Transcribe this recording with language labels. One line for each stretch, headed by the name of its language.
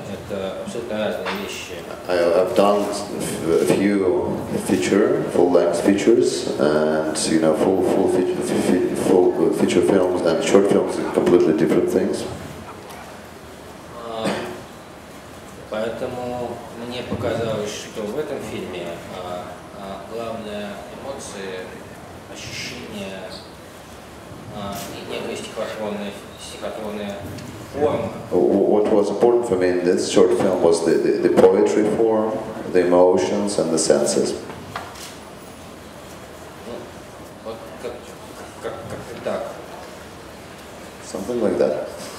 English: I've done a few full-length features, and you know, full feature films and short films are completely different things.
Russian: Поэтому мне показалось, что в этом фильме главная эмоция, ощущение и некая стихотворная
English: What was important for me in this short film was the poetry form, the emotions and the senses. Something like that.